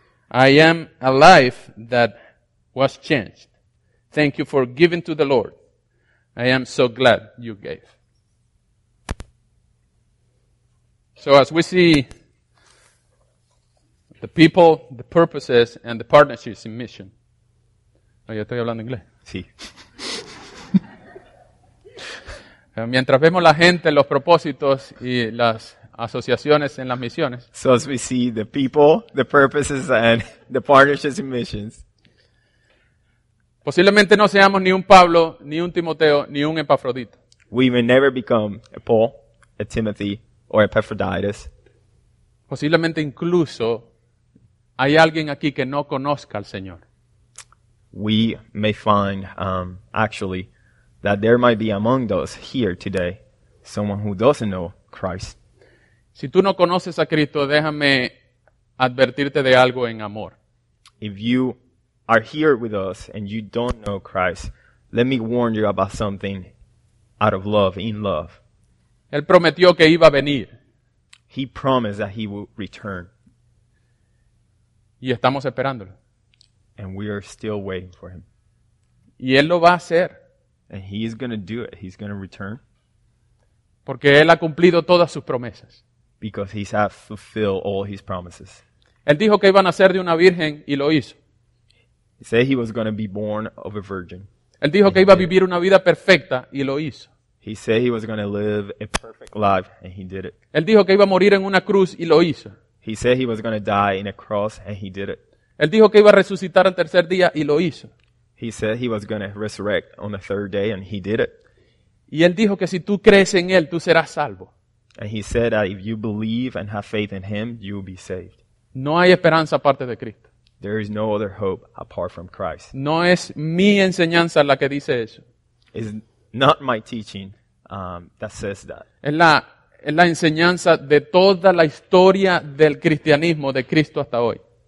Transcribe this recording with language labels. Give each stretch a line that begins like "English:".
English: I am a life that was changed. Thank you for giving to the Lord. I am so glad you gave. So as we see the people, the purposes, and the partnerships in mission.
Spanish: Oye, estoy hablando inglés. Sí. Mientras vemos la gente, los propósitos y las asociaciones en las misiones.
English: So as we see the people, the purposes, and the partnerships in missions.
Spanish: Posiblemente no seamos ni un Pablo, ni un Timoteo, ni un Epafrodito.
English: We may never become a Paul, a Timothy, or Epaphroditus.
Spanish: Posiblemente incluso hay alguien aquí que no conozca al Señor.
English: We may find, actually, that there might be among us here today someone who doesn't know Christ.
Spanish: Si tú no conoces a Cristo, déjame advertirte de algo en amor.
English: If you are here with us and you don't know Christ, let me warn you about something out of love, in love.
Spanish: Él prometió que iba a venir.
English: He promised that he will return.
Spanish: Y estamos esperándolo.
English: And we are still waiting for him.
Spanish: Y él lo va a hacer.
English: And he is going to do it. He's going to return.
Spanish: Porque él ha cumplido todas sus promesas.
English: Because he has fulfilled all his promises.
Spanish: Él dijo que iba a nacer de una virgen y lo hizo.
English: He said he was going to be born of a virgin.
Spanish: Él dijo que iba a vivir una vida perfecta y lo hizo.
English: He said he was going to live a perfect life and he did it.
Spanish: Él dijo que iba a morir en una cruz y lo hizo.
English: He said he was going to die in a cross and he did it.
Spanish: Él dijo que iba a resucitar al tercer día y lo hizo.
English: He said he was going to resurrect on the third day and he did it.
Spanish: Y él dijo que si tú crees en él, tú serás salvo.
English: And he said that if you believe and have faith in him, you will be saved.
Spanish: No hay esperanza aparte de Cristo.
English: There is no other hope apart from Christ.
Spanish: No es mi enseñanza la que dice eso.
English: It's not my teaching that says that.
Spanish: Es la enseñanza de toda la historia del cristianismo de Cristo hasta hoy.